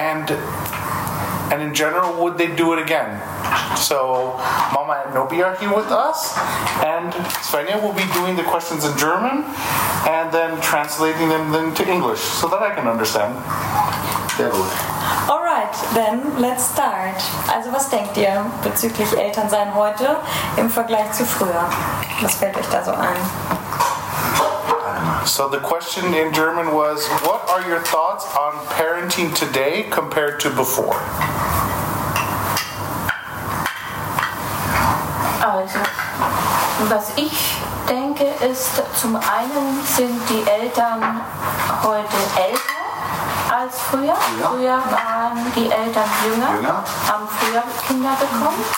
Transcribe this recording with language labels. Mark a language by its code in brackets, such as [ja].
[en] And in general, would they do it again? So, Mama and Nobi are here with us, and Svenja will be doing the questions in German, and then translating them into English, so that I can understand. All right, then, let's start. [de] Also, was denkt ihr bezüglich Elternsein heute im Vergleich zu früher? Was fällt euch da so ein? [en] So the question in German was, what are your thoughts on parenting today compared to before? [de] Also, was ich denke ist, zum einen sind die Eltern heute älter als früher. Ja. Früher waren die Eltern jünger, haben früher Kinder bekommen.